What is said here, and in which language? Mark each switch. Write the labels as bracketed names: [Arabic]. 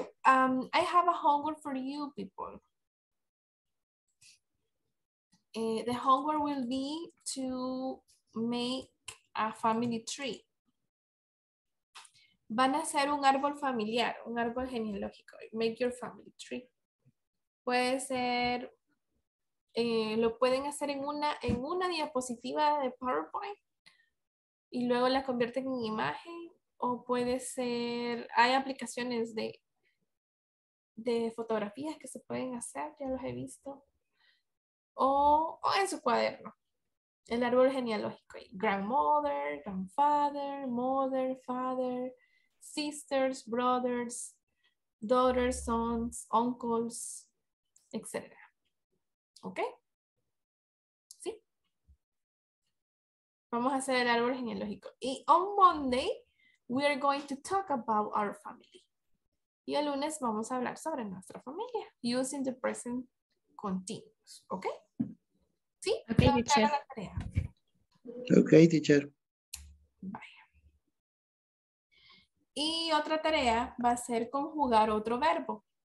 [English] Okay, I have a homework for you people. The homework will be to make a family tree. [Spanish] Van a hacer un árbol familiar, un árbol genealógico. [English] Make your family tree. [Spanish] Puede ser, lo pueden hacer en una diapositiva de PowerPoint y luego la convierten en imagen, o puede ser, hay aplicaciones de fotografías que se pueden hacer, ya los he visto, o en su cuaderno, el árbol genealógico, [English] grandmother, grandfather, mother, father, sisters, brothers, daughters, sons, uncles, [Spanish] etc. ¿Ok? Vamos a hacer el árbol genealógico. [English] Y on Monday, we are going to talk about our family. [Spanish] Y el lunes vamos a hablar sobre nuestra familia. [English] Using the present continuous. [Spanish] ¿Ok? ¿Sí? [English] Ok, teacher. [Spanish] La tarea. [English] Ok, teacher. [Spanish] Vaya. Y otra tarea va a ser conjugar otro verbo.